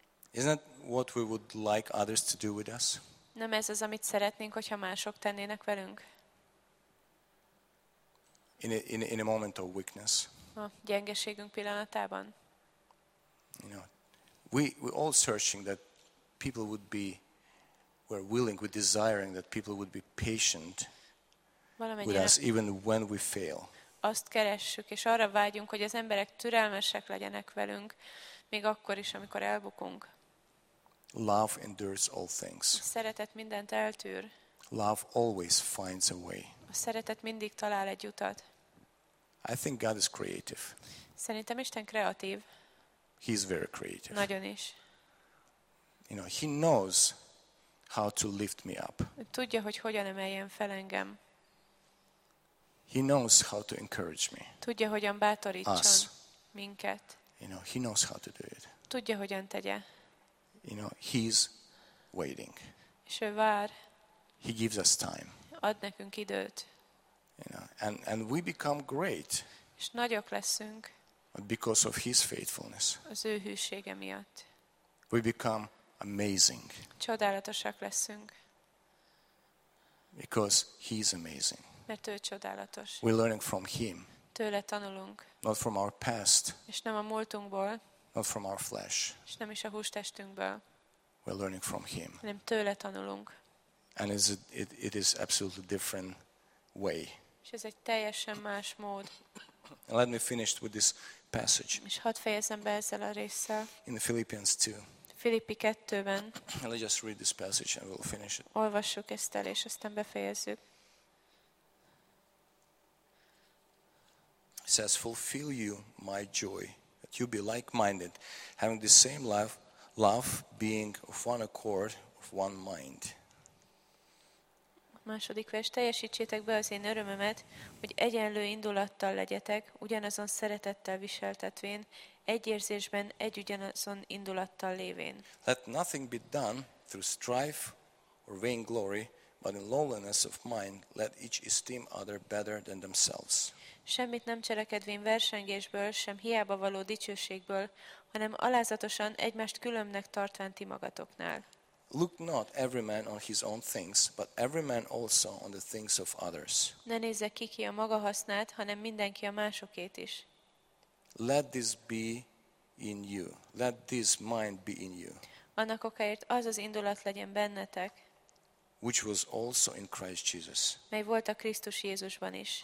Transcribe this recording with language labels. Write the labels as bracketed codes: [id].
[en] Isn't that what we would like others to do with us? [hu] Nem ez az, amit szeretnénk, hogyha mások tennének velünk? [en] In a moment of weakness. [hu] A gyengeségünk pillanatában. [en] You know, we're all searching that people would be, we're willing, we're desiring that people would be patient with us even when we fail. [hu] Azt keressük és arra vágyunk, hogy az emberek türelmesek legyenek velünk, még akkor is, amikor elbukunk. [en] Love endures all things. [hu] A szeretet mindent eltűr. [en] Love always finds a way. [hu] A szeretet mindig talál egy utat. [en] I think God is creative. [hu] Szerintem Isten kreatív. [en] He's very creative. [hu] Nagyon is. [en] You know, he knows how to lift me up. [hu] Tudja, hogy hogyan emeljen fel engem. [en] He knows how to encourage me. [hu] Tudja, hogyan bátorítson [en] us. [hu] Minket. [en] You know, he knows how to do it. [hu] Tudja, hogyan tegye. [en] You know, he's waiting. [hu] És ő vár. [en] He gives us time. [hu] Ad nekünk időt. [en] You know, and we become great. [hu] És nagyok leszünk. [en] Because of his faithfulness. [hu] Az ő hűsége miatt. [en] We become amazing. [hu] Csodálatosak leszünk. [en] Because he's amazing. [hu] Mert ő csodálatos. [en] We're learning from him. [hu] Tőle tanulunk. [en] Not from our past. [hu] És nem a múltunkból. [en] Not from our flesh. [hu] És nem is a hústestünkből. [en] We're learning from him. [hu] Nem tőle tanulunk. [en] And it is absolutely different way. [hu] És ez egy teljesen más mód. [en] Let me finish with this passage. [hu] És hadd fejezem be ezzel a résszel. [en] In the Philippians 2. [hu] Filippi 2-ben. [en] Let's just read this passage and we'll finish it. [hu] Olvassuk ezt el, és aztán befejezzük. [en] It says, fulfill you my joy, that you be like-minded, having the same love, being of one accord, of one mind. [hu] Második vers, teljesítsétek be az én örömömet, hogy egyenlő indulattal legyetek, ugyanazon szeretettel viseltetvén, egy érzésben, egy ugyanazon indulattal lévén. [en] Let nothing be done through strife or vain glory, but in lowliness of mind, let each esteem other better than themselves. [hu] Semmit nem cselekedvén versengésből, sem hiába való dicsőségből, hanem alázatosan egymást különbnek tartván ti magatoknál. [en] Look not every man on his own things, but every man also on the things of others. [hu] Ne nézze ki a maga hasznát, hanem mindenki a másokét is. [en] Let this be in you. Let this mind be in you. [hu] Annak okáért az az indulat legyen bennetek, [en] which was also in Christ Jesus. [hu] Mely volt a Krisztus Jézusban is.